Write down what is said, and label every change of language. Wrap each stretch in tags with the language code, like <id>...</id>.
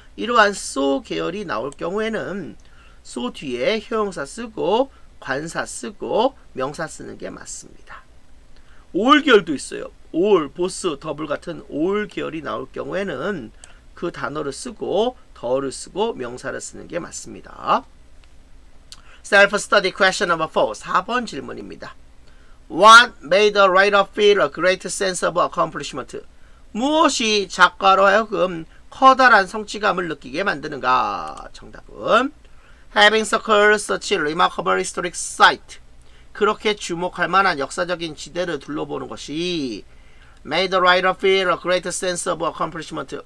<ko>이러한 so 계열이 나올 경우에는 so 뒤에 형용사 쓰고 관사 쓰고 명사 쓰는 게 맞습니다. 올 계열도 있어요. 올, 보스, 더블 같은 올 계열이 나올 경우에는 그 단어를 쓰고 더를 쓰고 명사를 쓰는 게 맞습니다.</ko> <en>Self-study question number 4.</en> <ko>4번 질문입니다.</ko> <en>What made the writer feel a great sense of accomplishment?</en> <ko>무엇이 작가로 하여금 커다란 성취감을 느끼게 만드는가? 정답은</ko> <en>Having circled such a remarkable historic site.</en> <ko>그렇게 주목할 만한 역사적인 지대를 둘러보는 것이</ko> <en>Made the writer feel a great sense of accomplishment.</en>